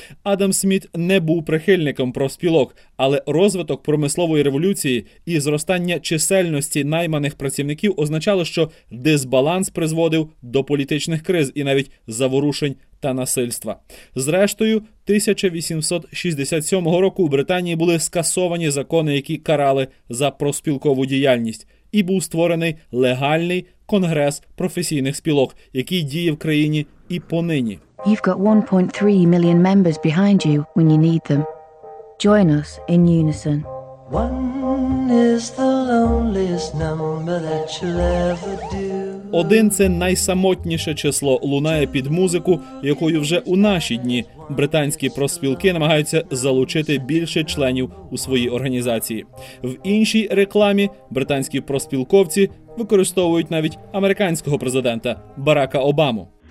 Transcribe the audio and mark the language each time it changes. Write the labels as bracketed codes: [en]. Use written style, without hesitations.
[uk] Адам Сміт не був прихильником профспілок, але розвиток промислової революції і зростання чисельності найманих працівників означало, що дисбаланс призводив до політичних криз і навіть заворушень та насильства. Зрештою, 1867 року у Британії були скасовані закони, які карали за профспілкову діяльність, і був створений легальний Конгрес професійних спілок, який діє в країні і понині. [en] You've got 1.3 million members behind you when you need them. Join us in unison. One is the loneliest number that you'll ever do. [uk] Один – це найсамотніше число, лунає під музику, якою вже у наші дні британські профспілки намагаються залучити більше членів у своїй організації. В іншій рекламі британські профспілковці використовують навіть американського президента Барака Обаму.